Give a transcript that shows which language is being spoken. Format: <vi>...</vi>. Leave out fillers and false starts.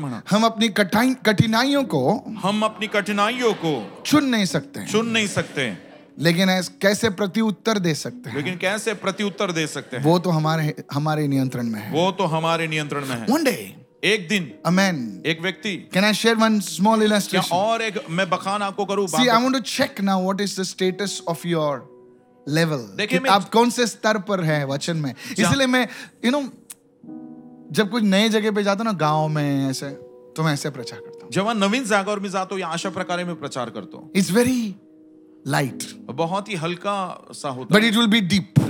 <hi>हम अपनी कठिनाइयों को चुन नहीं सकते लेकिन कैसे प्रत्युत्तर दे सकते हैं वो तो हमारे नियंत्रण में है. वो तो हमारे नियंत्रण में है.</hi> <en>One day,</en> <hi>एक दिन. Amen. एक व्यक्ति.</hi> <en>Can I share one small illustration?</en> <hi>और एक मैं बखान आपको करूं.</hi> <en>See, I want to check now what is the status of your level.</en> <hi>देखिए आप कौन से स्तर पर है वचन में. इसलिए मैं यू नो जब कुछ नए जगह पे जाता हूँ ना गांव में ऐसे तो मैं ऐसे प्रचार करता हूँ. जब मैं नवीन जागर में जाता हूँ या आशा प्रकार में प्रचार करता हूँ.</hi> <en>It's very light.</en> <hi>बहुत ही हल्का सा होता</hi> <en>है. But it will be deep.</en>